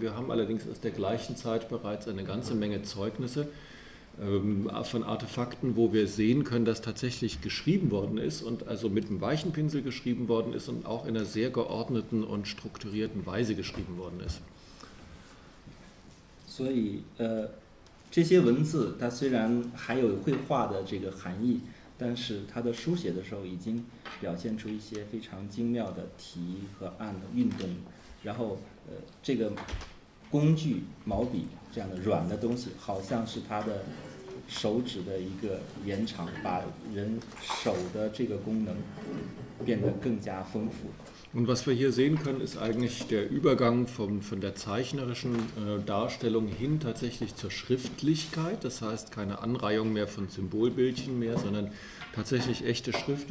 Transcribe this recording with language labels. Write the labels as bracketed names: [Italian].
[German] Wir haben allerdings aus der gleichen Zeit bereits eine ganze Menge Zeugnisse von Artefakten, wo wir sehen können, dass tatsächlich geschrieben worden ist und also mit einem weichen Pinsel geschrieben worden ist und auch in einer sehr geordneten und strukturierten Weise geschrieben worden ist. [Chinese] So, 这些文字它虽然还有绘画的这个含义，但是它的书写的时候已经表现出一些非常精妙的提和按的运动，然后这个工具毛笔这样的软的东西，好像是它的手指的一个延长，把人手的这个功能变得更加丰富。 [German] Und was wir hier sehen können, ist eigentlich der Übergang von der zeichnerischen Darstellung hin tatsächlich zur Schriftlichkeit. Das heißt, keine Anreihung mehr von Symbolbildchen mehr, sondern tatsächlich echte Schrift.